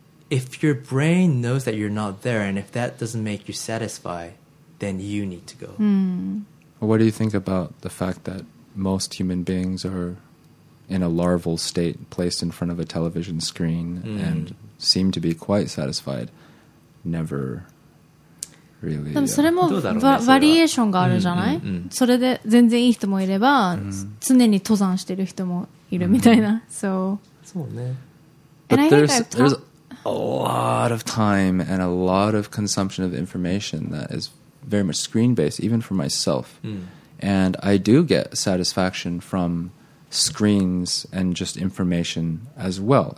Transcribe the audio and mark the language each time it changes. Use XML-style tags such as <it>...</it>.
<en>If your brain knows that you're not there and if that doesn't make you satisfied, then you need to go、 What do you think about the fact that most human beings are in a larval state, placed in front of a television screen、and seem to be quite satisfied, neverReally,</en> <ja>でもそれも、バリエーションがあるじゃない、それで全然いい人もいれば、常に登山してる人もいるみたいな、そうね。</ja> <en>But there's a lot of time and a lot of consumption of information that is very much screen-based, even for myself. And I do get satisfaction from screens and just information as well.</en>